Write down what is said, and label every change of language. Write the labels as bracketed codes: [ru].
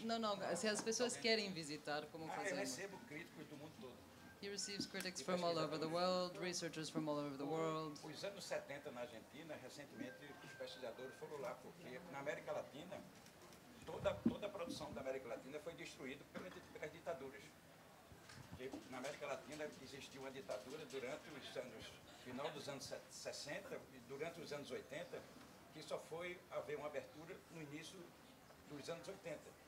[pt] Não, não, se as pessoas querem visitar, como fazer? Eu recebo críticos do mundo todo. [en] He receives critics from all over the world, researchers from all over the world. [pt] Os anos 70 na Argentina, recentemente, os pesquisadores foram lá, porque na América Latina, toda a produção da América Latina foi destruída pelas ditaduras. Porque na América Latina existiu uma ditadura durante os anos, final dos anos 60 e durante os anos 80, que só foi haver uma abertura no início dos anos 80.